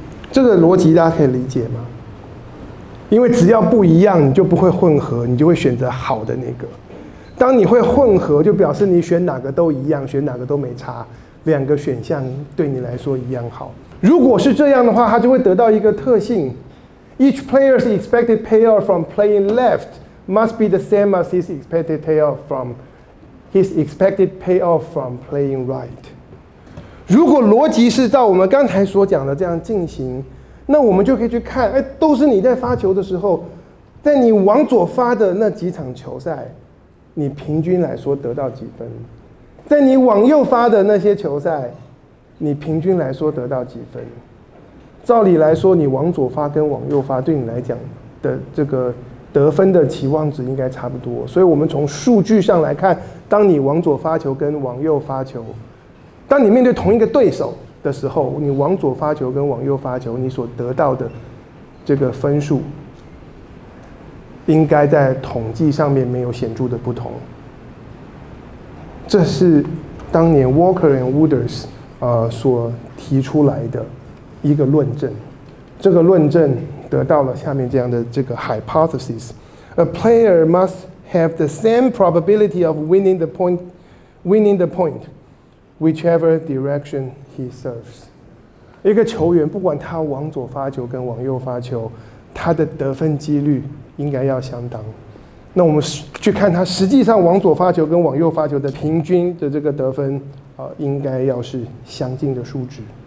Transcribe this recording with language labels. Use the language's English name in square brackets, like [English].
[Chinese] 这个逻辑大家可以理解吗？因为只要不一样你就不会混合，你就会选择好的那个。当你会混合，就表示你选哪个都一样，选哪个都没差，两个选项对你来说一样好。如果是这样的话，他就会得到一个特性： [English] Each player's expected payoff from playing left must be the same as his expected payoff from his expected payoff from playing right。 [Chinese] 如果逻辑是照我们刚才所讲的这样进行，那我们就可以去看，哎，都是你在发球的时候，在你往左发的那几场球赛你平均来说得到几分，在你往右发的那些球赛你平均来说得到几分。照理来说你往左发跟往右发对你来讲的这个得分的期望值应该差不多，所以我们从数据上来看，当你往左发球跟往右发球，当你面对同一个对手的时候，你往左发球跟往右发球你所得到的这个分数应该在统计上面没有显著的不同。这是当年 Walker and Wooders 所提出来的一个论证，这个论证得到了下面这样的这个 hypothesis： [English] A player must have the same probability of winning the point whichever direction he serves。 [Chinese] 一个球员不管他往左发球跟往右发球，他的得分几率应该要相当，那我们去看他实际上往左发球跟往右发球的平均的这个得分，应该要是相近的数值。